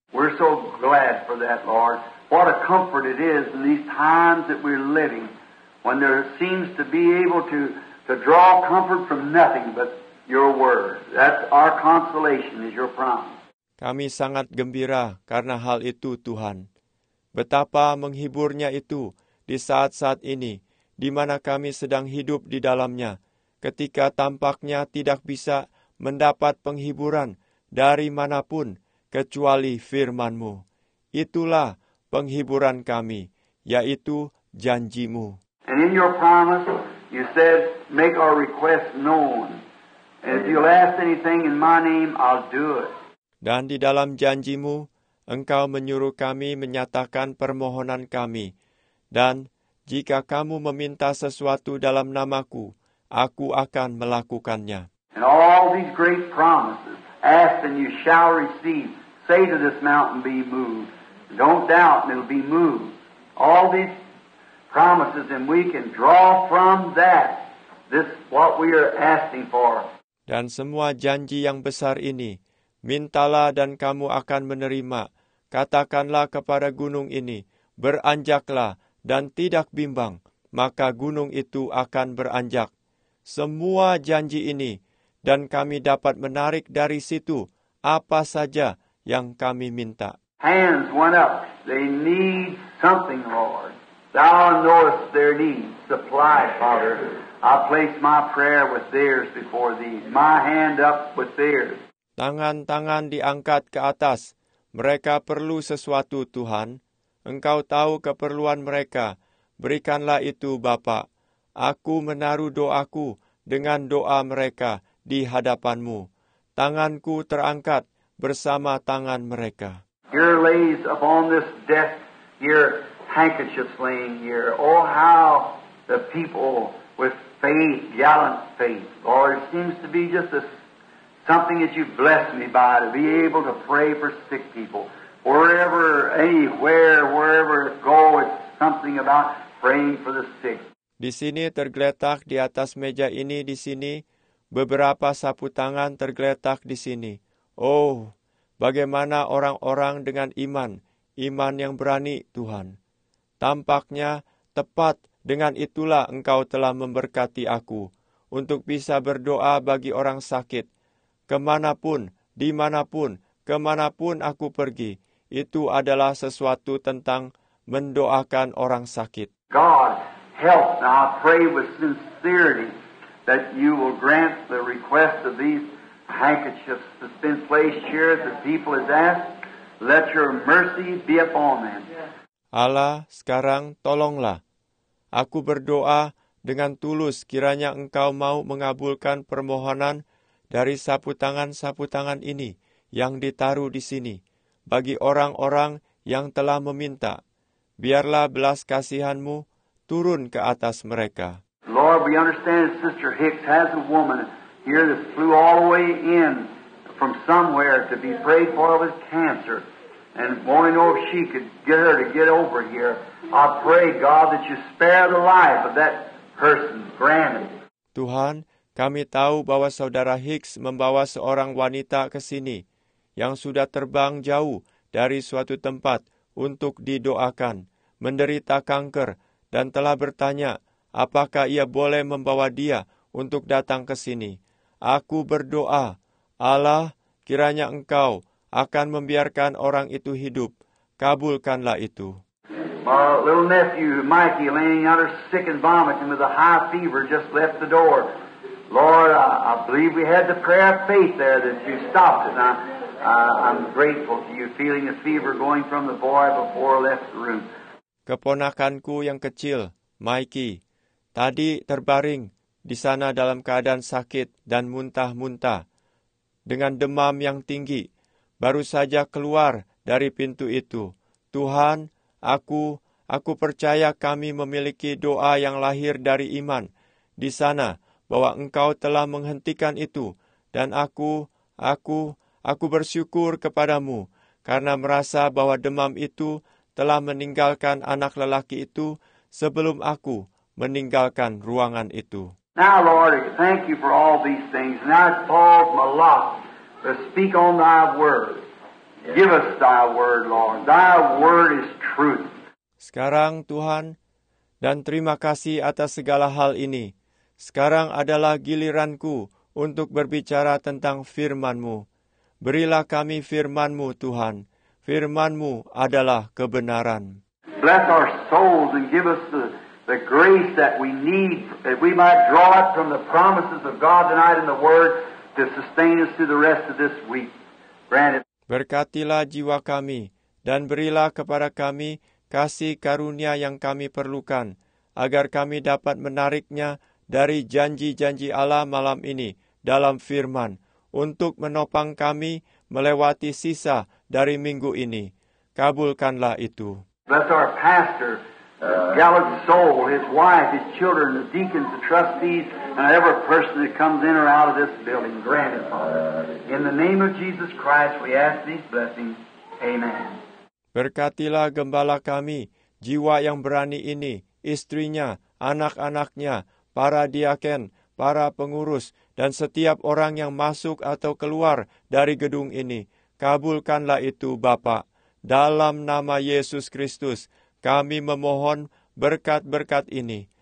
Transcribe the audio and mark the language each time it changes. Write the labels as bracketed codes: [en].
[en] We're so glad for that, Lord. What a comfort it is in these times that we're living, when there seems to be able to draw comfort from nothing but Your Word. That's our consolation, is Your promise. [id] Kami sangat gembira karena hal itu, Tuhan. Betapa menghiburnya itu di saat-saat ini, di mana kami sedang hidup di dalamnya, ketika tampaknya tidak bisa mendapat penghiburan dari manapun, kecuali firman-Mu. Itulah penghiburan kami, yaitu janji-Mu. [en] And in Your promise, You said, make our request known. And if you'll ask anything in My name, I'll do it. [id] Dan di dalam janji-Mu, Engkau menyuruh kami menyatakan permohonan kami. Dan jika kamu meminta sesuatu dalam nama-Ku, Aku akan melakukannya. [en] And all these great promises, ask and you shall receive. Say to this mountain, be moved. Don't doubt, and it'll be moved. All these promises, and we can draw from that this what we are asking for. [id] Dan semua janji yang besar ini, mintalah dan kamu akan menerima. Katakanlah kepada gunung ini, beranjaklah dan tidak bimbang, maka gunung itu akan beranjak. Semua janji ini, dan kami dapat menarik dari situ apa saja yang kami minta. [en] Hands went up. They need something, Lord. Thou knowest their need. Supply, Father. I place my prayer with theirs before thee. My hand up with theirs. [id] Tangan-tangan diangkat ke atas. Mereka perlu sesuatu, Tuhan. Engkau tahu keperluan mereka. Berikanlah itu, Bapa. Aku menaruh doaku dengan doa mereka di hadapan-Mu. Tanganku terangkat bersama tangan mereka. [en] Here lays upon this desk your handkerchiefs laying here. Oh, how the people with faith, gallant faith, Lord, it seems to be just a, something that you bless me by, to be able to pray for sick people. Wherever, anywhere, wherever it goes, it's something about praying for the sick. [id] Di sini tergeletak di atas meja ini di sini, beberapa sapu tangan tergeletak di sini. Oh, bagaimana orang-orang dengan iman, iman yang berani, Tuhan. Tampaknya tepat dengan itulah Engkau telah memberkati aku untuk bisa berdoa bagi orang sakit. Kemanapun, dimanapun, kemanapun aku pergi, itu adalah sesuatu tentang mendoakan orang sakit. [en] God help, now I pray with sincerity that you will grant the request of these handkerchiefs that's been placed here, the people has asked, let your mercy be upon them. [id] Allah, sekarang tolonglah. Aku berdoa dengan tulus kiranya Engkau mau mengabulkan permohonan dari sapu tangan ini yang ditaruh di sini bagi orang-orang yang telah meminta. Biarlah belas kasihan-Mu turun ke atas mereka. [en] Lord, we understand that Sister Hicks has a woman here that flew all the way in from somewhere to be prayed for with cancer. And want to know if she could get her to get over here. I pray, God, that you spare the life of that person. Granted. [id] Tuhan, kami tahu bahwa Saudara Hicks membawa seorang wanita ke sini yang sudah terbang jauh dari suatu tempat untuk didoakan, menderita kanker, dan telah bertanya apakah ia boleh membawa dia untuk datang ke sini. Aku berdoa, Allah, kiranya Engkau akan membiarkan orang itu hidup. Kabulkanlah itu. [en] My little nephew, Mikey, laying out sick and vomiting with a high fever, just left the door. Lord, I believe we had the prayer of faith there that you stopped it. I'm grateful to you, feeling a fever going from the boy before I left the room. [id] Keponakanku yang kecil, Mikey, tadi terbaring di sana dalam keadaan sakit dan muntah-muntah, dengan demam yang tinggi, baru saja keluar dari pintu itu. Tuhan, aku percaya kami memiliki doa yang lahir dari iman di sana, bahwa Engkau telah menghentikan itu, dan aku bersyukur kepada-Mu, karena merasa bahwa demam itu telah meninggalkan anak lelaki itu sebelum aku meninggalkan ruangan itu. [en] Now, Lord, thank you for all these things. Now it falls my lot to speak on thy word. Give us thy word, Lord. Thy word is truth. [id] Sekarang, Tuhan, dan terima kasih atas segala hal ini. Sekarang adalah giliranku untuk berbicara tentang firman-Mu. Berilah kami firman-Mu, Tuhan. Firman-Mu adalah kebenaran. [en] Bless our souls and give us the grace that we need, that we might draw it from the promises of God tonight in the Word to sustain us through the rest of this week. Grant it. [id] Berkatilah jiwa kami dan berilah kepada kami kasih karunia yang kami perlukan agar kami dapat menariknya dari janji-janji Allah malam ini dalam firman untuk menopang kami melewati sisa dari minggu ini. Kabulkanlah itu. [en] Bless our pastor, gallant soul, his wife, his children, the deacons, the trustees, and every person that comes in or out of this building. Grant it, Father. In the name of Jesus Christ, we ask these blessings. Amen. [id] Berkatilah gembala kami, jiwa yang berani ini, istrinya, anak-anaknya, para diaken, para pengurus, dan setiap orang yang masuk atau keluar dari gedung ini. Kabulkanlah itu, Bapa. Dalam nama Yesus Kristus, kami memohon berkat-berkat ini.